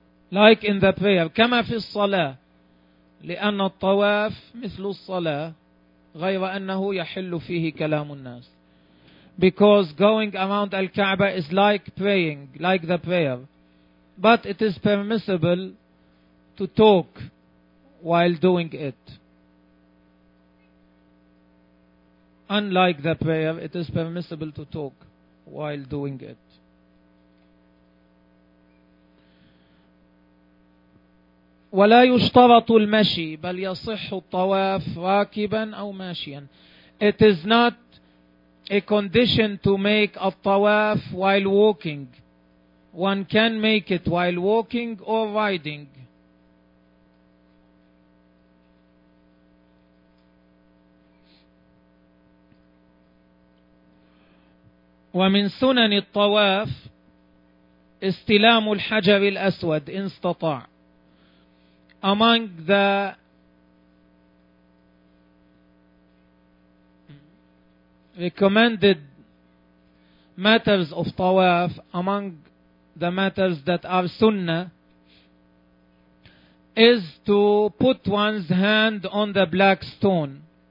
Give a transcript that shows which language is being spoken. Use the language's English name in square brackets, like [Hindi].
[English] Like in the prayer, [Arabic] كما في الصلاة لأن الطواف مثل الصلاة غير أنه يحل فيه كلام الناس. [English] Because going around Al-Kaaba is like praying, like the prayer. But it is permissible to talk while doing it. Unlike the prayer, it is permissible to talk while doing it. [Arabic] ولا يشترط المشي بل يصح الطواف راكبا أو ماشيا. [English] It is not a condition to make a tawaf while walking. One can make it while walking or riding. [Arabic] ومن سنن الطواف استلام الحجر الأسود إن استطاع. [English] Among the recommended matters of tawaf, among the matters that are sunnah, is to put one's hand on the black stone.